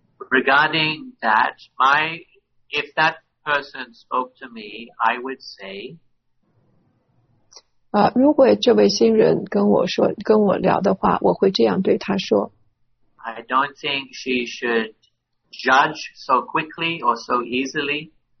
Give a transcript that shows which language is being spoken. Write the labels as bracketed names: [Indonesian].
[English] Regarding that, if that person spoke to me, I would say. [Chinese] 如果这位新人跟我聊的话，我会这样对他说。 [English] I don't think she should judge so quickly or so easily.